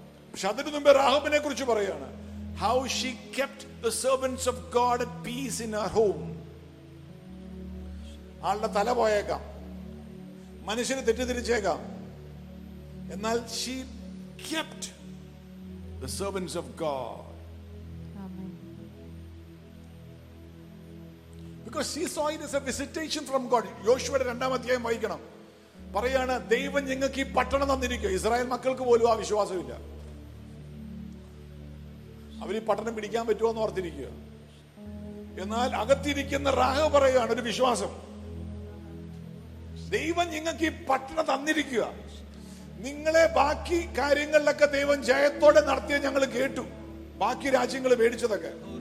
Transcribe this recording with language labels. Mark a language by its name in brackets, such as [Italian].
[Malayalam] പക്ഷെ അതിനു മുമ്പേ റാഹബിനെ കുറിച്ച് പറയാണ്, [English] How she kept the servants of God at peace in her home. [Malayalam] ആളുടെ തല പോയേക്കാം, മനുഷ്യന് തെറ്റിദ്ധരിച്ചേക്കാം, എന്നാൽ [English] she kept the servants of God. Because she saw it as a visitation from God. [Malayalam] യോശുവയുടെ രണ്ടാം അധ്യായം വായിക്കണം. പറയാണ്, ദൈവം നിങ്ങൾക്ക് ഈ പട്ടണം തന്നിരിക്കുക. ഇസ്രായേൽ മക്കൾക്ക് പോലും ആ വിശ്വാസമില്ല. അവര് ഈ പട്ടണം പിടിക്കാൻ പറ്റുമോ എന്ന് ഓർത്തിരിക്കുക. എന്നാൽ അകത്തിരിക്കുന്ന റാഹബ് പറയുകയാണ്, ഒരു വിശ്വാസം, ദൈവം നിങ്ങൾക്ക് ഈ പട്ടണം തന്നിരിക്കുക, നിങ്ങളെ ബാക്കി കാര്യങ്ങളിലൊക്കെ ദൈവം ജയത്തോടെ നടത്തിയ ഞങ്ങൾ കേട്ടു, ബാക്കി രാജ്യങ്ങൾ മേടിച്ചതൊക്കെ.